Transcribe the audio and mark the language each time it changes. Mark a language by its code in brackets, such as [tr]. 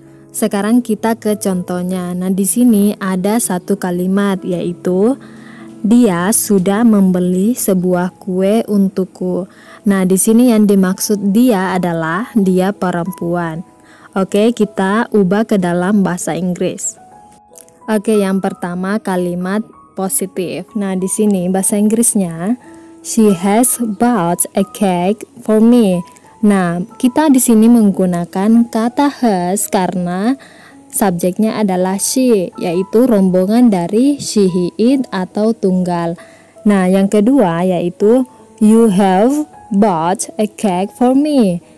[id] Sekarang kita ke contohnya. Nah, di sini ada satu kalimat yaitu dia sudah membeli sebuah kue untukku. Nah, di sini yang dimaksud dia adalah dia perempuan. Oke, kita ubah ke dalam bahasa Inggris. Oke, yang pertama kalimat positif. Nah, di sini bahasa Inggrisnya [en] she has bought a cake for me. [id] Nah, kita di sini menggunakan kata has karena subjeknya adalah she, yaitu rombongan dari she, he, it atau tunggal. Nah, yang kedua yaitu [en] you have bought a cake for me.